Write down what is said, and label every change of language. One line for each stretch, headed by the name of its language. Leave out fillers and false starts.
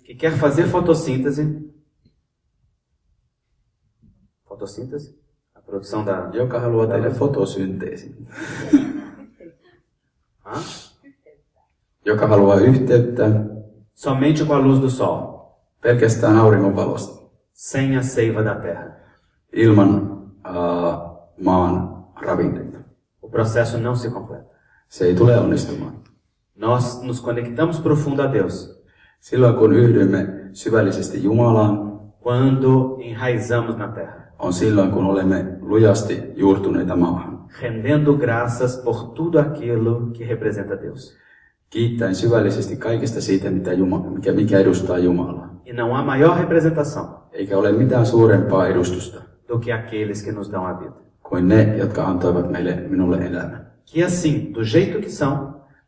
Portuguese: Que quer fazer fotossíntese. Fotossíntese? Produção da...
Finnish: Joka haluaa tehdä fotosynteesin. Joka haluaa yhteyttä.
Portuguese: Somente com a luz do sol.
Finnish: Pelkästään auringonvalosta.
Portuguese: Sem a seiva da terra.
Finnish: Ilman maan ravinteita.
Portuguese: O processo não se completa.
Finnish: Se ei tule onnistumaan.
Portuguese: Nós nos conectamos profundo a Deus.
Finnish: Silloin kun yhdymme syvällisesti Jumalaan.
Portuguese: Quando enraizamos na terra.
Finnish: On silloin, kun olemme lujasti juurtuneita maahan.
Portuguese: Rendendo graças por tudo aquilo que representa Deus.
Finnish: Kiittäen syvällisesti kaikesta siitä, mikä edustaa Jumalaa.
Portuguese: E não há maior representação.
Finnish: Eikä ole mitään suurempaa edustusta.
Portuguese: Do que aqueles que nos dão a vida.
Finnish: Kuin ne, jotka antoivat minulle elämän.
Portuguese: Que assim, do jeito que são.